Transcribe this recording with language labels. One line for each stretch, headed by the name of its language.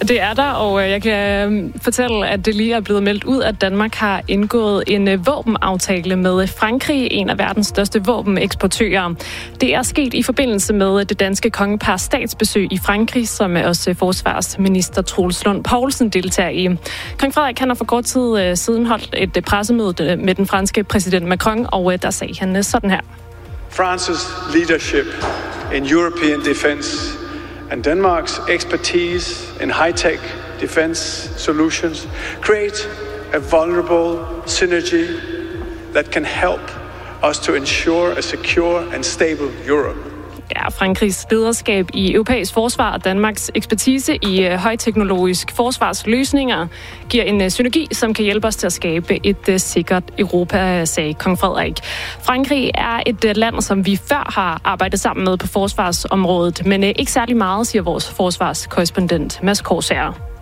Danish: Det er der, og jeg kan fortælle, at det lige er blevet meldt ud, at Danmark har indgået en våbenaftale med Frankrig, en af verdens største våbeneksportører. Det er sket i forbindelse med det danske kongepars statsbesøg i Frankrig, som også forsvarsminister Troels Lund Poulsen deltager i. Kong Frederik har for kort tid siden holdt et pressemøde med den franske præsident Macron, og der sagde han sådan her.
English: France's leadership in European defense and Denmark's expertise in high-tech defense solutions create a vulnerable synergy that can help us to ensure a secure and stable Europe.
Danish: Ja, Frankrigs lederskab i europæisk forsvar og Danmarks ekspertise i højteknologisk forsvarsløsninger giver en synergi, som kan hjælpe os til at skabe et sikkert Europa, sagde kong Frederik. Frankrig er et land, som vi før har arbejdet sammen med på forsvarsområdet, men ikke særlig meget, siger vores forsvarskorrespondent Mads Korsager.